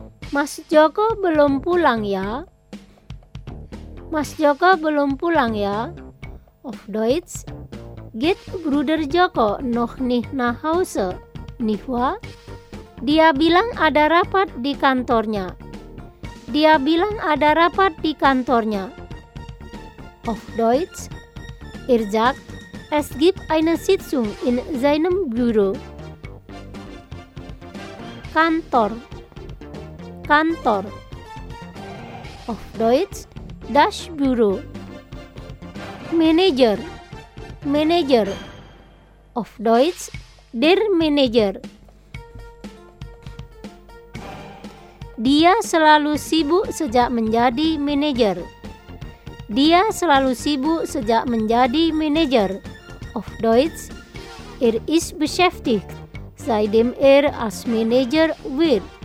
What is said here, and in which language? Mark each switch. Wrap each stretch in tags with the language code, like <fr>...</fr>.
<id>Mas Joko belum pulang ya? Mas Joko belum pulang ya?</id> <de>Auf Deutsch geht Bruder Joko noch nicht nach Hause, nicht wahr?</de> <id>Dia bilang ada rapat di kantornya. Dia bilang ada rapat di kantornya.</id> <de>Auf Deutsch, er sagt, es gibt eine Sitzung in seinem Büro. Kantor. Kantor. Auf Deutsch, das Büro. Manager, manager, auf Deutsch der Manager.</de> <id>Dia selalu sibuk sejak menjadi manager. Dia selalu sibuk sejak menjadi manager.</id> <de>Auf Deutsch er ist beschäftigt seitdem er als Manager wird.</de>